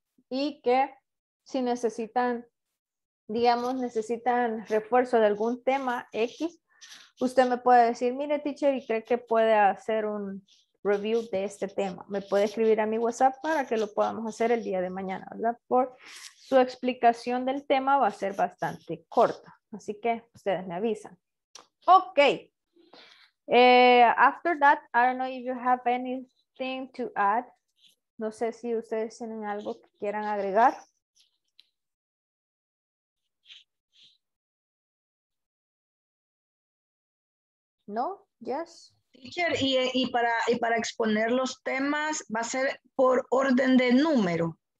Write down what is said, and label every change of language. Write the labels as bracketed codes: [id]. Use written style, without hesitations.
[es] Y que si necesitan refuerzo de algún tema X, usted me puede decir, mire, teacher, y cree que puede hacer un review de este tema. Me puede escribir a mi WhatsApp para que lo podamos hacer el día de mañana, ¿verdad? Por su explicación del tema va a ser bastante corta. Así que ustedes me avisan. Okay. [en] After that, I don't know if you have anything to add. [es] No sé si ustedes tienen algo que quieran agregar. [en] No? Yes. [es] Teacher, y para exponer los temas, ¿va a ser por orden de número?